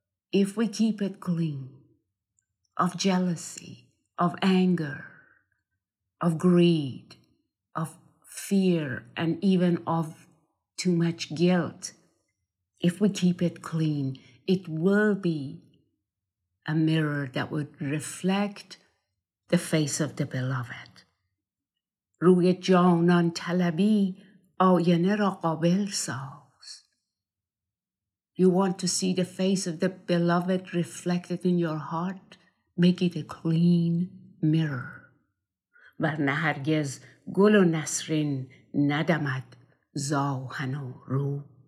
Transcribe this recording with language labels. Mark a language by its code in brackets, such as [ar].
[en] If we keep it clean of jealousy, of anger, of greed, of fear, and even of too much guilt, if we keep it clean, it will be a mirror that would reflect the face of the beloved. [fa] روی جانان طلبی آینه را قابل ساز. [en] You want to see the face of the beloved reflected in your heart? Make it a clean mirror. [fa] ورنه هرگز گل و نسرین ندمد زاهن و روی.